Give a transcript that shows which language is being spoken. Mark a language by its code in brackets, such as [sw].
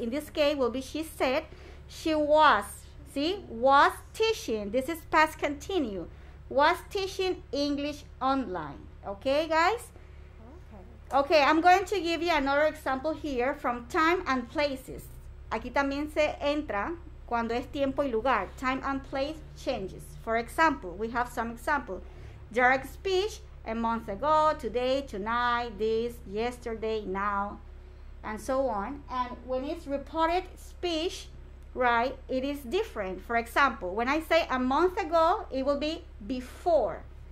[en] In this case, will be she said, she was, ¿sí? Was teaching, this is past continuous. Was teaching English online. Okay, guys? Okay. Okay, I'm going to give you another example here from time and places. [es] Aquí también se entra cuando es tiempo y lugar. [en] Time and place changes. For example, we have some example. Direct speech, a month ago, today, tonight, this, yesterday, now, and so on. And when it's reported speech, right, it is different. For example, when I say a month ago, it will be before.